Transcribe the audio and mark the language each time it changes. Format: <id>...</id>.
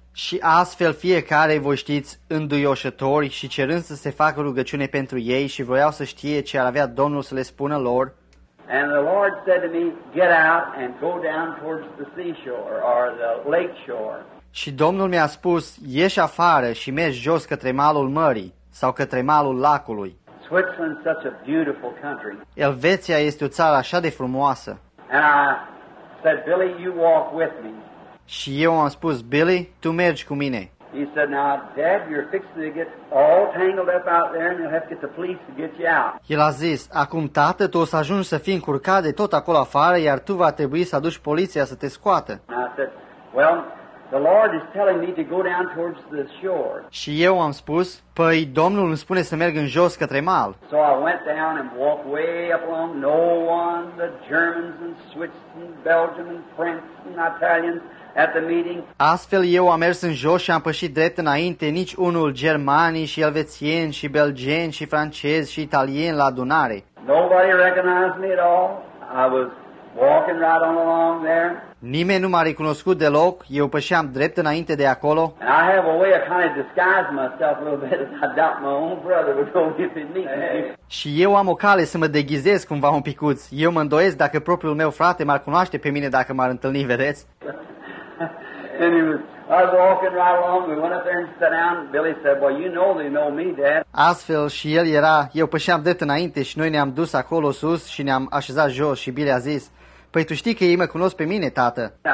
<ro>Și astfel fiecare, voi știți, înduioșători și cerând să se facă rugăciune pentru ei și voiau să știe ce ar avea Domnul să le spună lor.</ro> <en>And the Lord said to me, get out and go down towards the seashore or the lake shore.</en> <ro>Și Domnul mi-a spus, ieși afară și mergi jos către malul mării sau către malul lacului.</ro> <en>Switzerland is such a beautiful country.</en> <ro>Elveția este o țară așa de frumoasă.</ro> <en>And I said, Billy, you walk with me.</en> <ro>Și eu am spus, Billy, tu mergi cu mine.</ro> <en>He said, now, Dad, you're fixing to get all tangled up out there and you'll have to get the police to get you out.</en> <ro>El a zis, acum, tată, tu o să ajungi să fii încurcat de tot acolo afară, iar tu va trebui să aduci poliția să te scoată.</ro> <en>And I said, well, the Lord is telling me to go down towards the shore.</en> <ro>Și eu am spus, păi, Domnul îmi spune să merg în jos către mal.</ro> <en>So I went down and walked way up along, no one, the Germans and Swiss and Belgium and French and Italians. At the meeting.</en> <ro>Astfel eu am mers în jos și am pășit drept înainte, nici unul germanii și elvețieni și belgeni și francezi și italieni la adunare.</ro> <en>Nobody recognized me at all. I was walking right on along there.</en> <ro>Nimeni nu m-a recunoscut deloc. Eu pășeam drept înainte de acolo.</ro> <en>And I have a way of kind of disguising myself a little bit. I doubt my own brother would know if he'd meet me.</en> <ro>Și eu am o cale să mă deghizez cumva un picuț. Eu mă îndoiesc dacă propriul meu frate m-ar cunoaște pe mine dacă m-ar întâlni, vedeți?</ro> <en>And I was walking right along. We went up there and sat down. Billy said, "Well, you know they know me, Dad."</en> <ro>Astfel și el era. Eu pășeam drept înainte și noi ne-am dus acolo sus și ne-am așezat jos. Și Billy a zis, Păi tu știi că ei mă cunosc pe mine, tată.</ro>